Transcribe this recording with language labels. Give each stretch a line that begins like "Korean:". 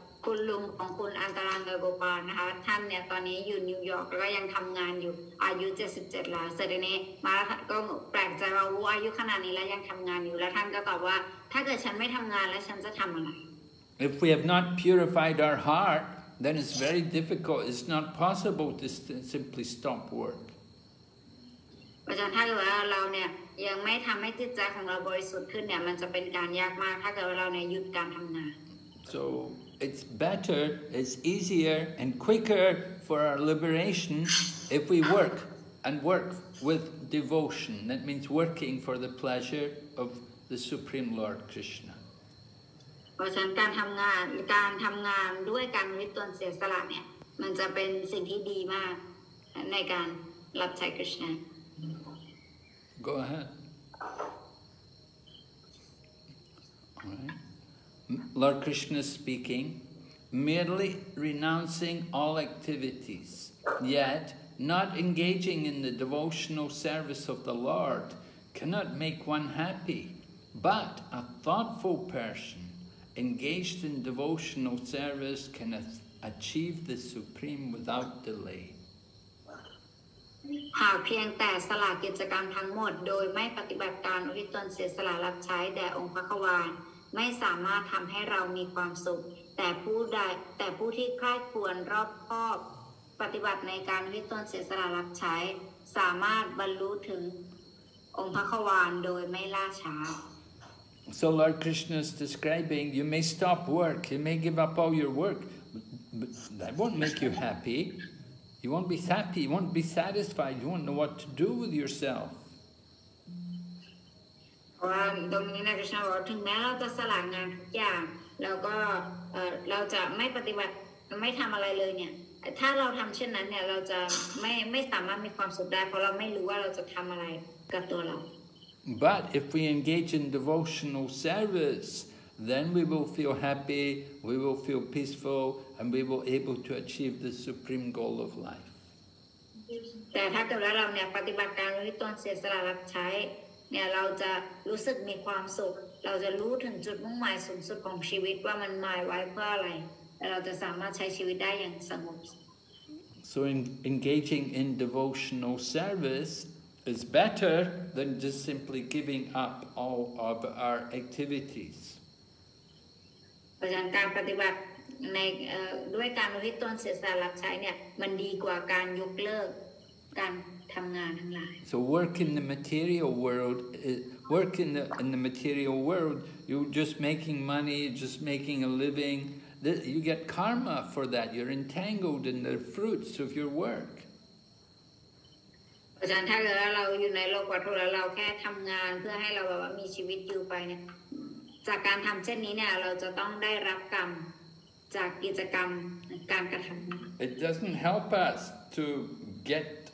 Thai: คุณลุงของคุณอันตรังเกอร์โกปาลนะคะท่านเนี่ยตอนนี้อยู่นิวยอร์กแล้วก็ยังทำงานอยู่อายุ77แล้วเสร็จนี้มาก็แปลกใจว่าอายุขนาดนี้แล้วยังทำงานอยู่แล้วท่านก็ตอบว่าถ้าเกิดฉันไม่ทำงานแล้วฉันจะทำอะไร
English: If we have not purified our heart then it's very difficult it's not possible to simply stop work
Thai: อาจารย์ถ้าเกิดว่าเราเนี่ยยังไม่ทำให้จิตใจของเราบริสุทธิ์ขึ้นเนี่ยมันจะเป็นการยากมากถ้าเกิดว่าเราเนี่ยหยุดการทำงาน
English: SoIt's better, it's easier and quicker for our liberation if we work and work with devotion. That means working for the pleasure of the Supreme Lord Krishna.
Thai: การทำงานด้วยการวิตรเสียสละเนี่ยมันจะเป็นสิ่งที่ดีมากในการรับใช้ Krishna.
English: Go ahead. All right. Lord Krishna speaking, merely renouncing all activities, yet not engaging in the devotional service of the Lord cannot make one happy. But a thoughtful person engaged in devotional service can achieve the Supreme without delay.
Thai: หากเพียงแต่สละกิจกรรมทั้งหมดโดยไม่ปฏิบัติการอุทิศตนเสียสละรับใช้แด่องค์พระกวานไม่สามารถทำให้เรามีความสุขแต่ผู้ใดแต่ผู้ที่ใคร่ครวญรอบคอบปฏิบัติในการวิตรเสียสละรับใช้สามารถบรรลุถึงองค์พระควานโดยไม่ล่าช้า
English: So Lord Krishna is describing you may stop work you may give up all your work but that won't make you happy you won't be happy you won't be satisfied you won't know what to do with yourself
Thai: ว่าตรงนี้นะคริสต์นะว่าถึงแม้เราจะสละงานทุกอย่างแล้วก็เราจะไม่ปฏิบัติไม่ทำอะไรเลยเนี่ยถ้าเราทำเช่นนั้นเนี่ยเราจะไม่สามารถมีความสุขได้เพราะเราไม่รู้ว่าเราจะทำอะไรกับตัวเรา
English: But if we engage in devotional service then we will feel happy we will feel peaceful and we will able to achieve the supreme goal of life
Thai: แต่ถ้าเกิดว่าเราเนี่ยปฏิบัติการด้วยตนเสียสละรับใช้เนี่ยเราจะรู้สึกมีความสุขเราจะรู้ถึงจุดมุ่งหมายสูงสุดของชีวิตว่ามันหมายไว้เพื่ออะไรเราจะสามารถใช้ชีวิตได้อย่างสงบ
English: So engaging in devotional service is better than just simply giving up all of our activities
Thai: การปฏิบัติในด้วยการอุทิศตนเสียสละรับใช้เนี่ยมันดีกว่าการยกเลิกการ
English: So work in the material world, work in the material world, you're just making money, just making a living. You get karma for that. You're entangled in the fruits of your work. It doesn't help us to get.